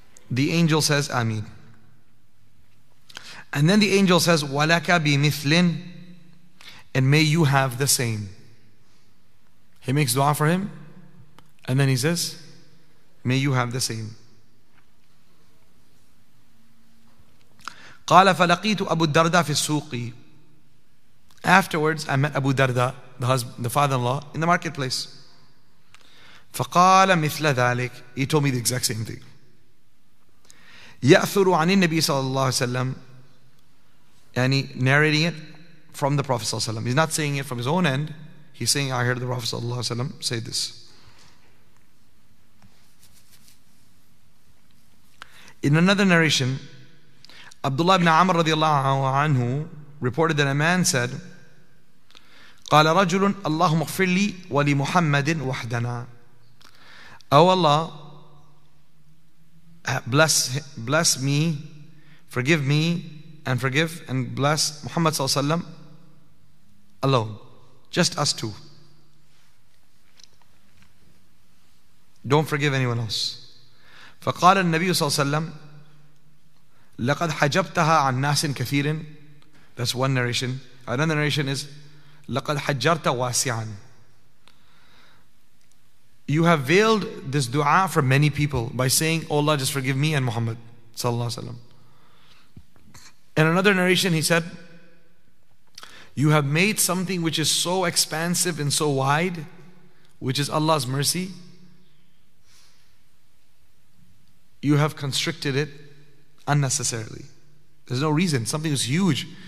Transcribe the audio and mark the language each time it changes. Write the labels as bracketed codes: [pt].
[en] The angel says آمين. And then the angel says [ar] ولك بمثل, [en] and may you have the same. He makes dua for him, and then he says, may you have the same. [ar] قال فلقيت أبو الدرداء في السوق. [en] Afterwards, I met Abu Darda, the husband, the father-in-law, in the marketplace. [ar] فقال مثل ذلك. [en] He told me the exact same thing. [ar] يأثر عن النبي صلى الله عليه وسلم. [en] And he narrating it from the Prophet صلى الله عليه وسلم. He's not saying it from his own end. He's saying, I heard the Prophet صلى الله عليه وسلم say this. In another narration, Abdullah ibn Amr radiallahu anhu reported that a man said, [ar] قال رجل اللهم اغفر لي ولمحمد وحدنا. [en] Oh Allah, bless me, forgive me, and forgive and bless Muhammad sallallahu alayhi wa sallam alone, just us two. Don't forgive anyone else. [ar] فقال النبي صلى الله عليه وسلم لقد حجبتها عن ناس كثير. [en] That's one narration. Another narration is [ar] لقد حجرت واسعا. [en] You have veiled this dua for many people by saying, oh Allah, just forgive me and Muhammad sallallahu alaihi wasallam. In another narration he said, you have made something which is so expansive and so wide, which is Allah's mercy, you have constricted it unnecessarily. There's no reason. Something is huge.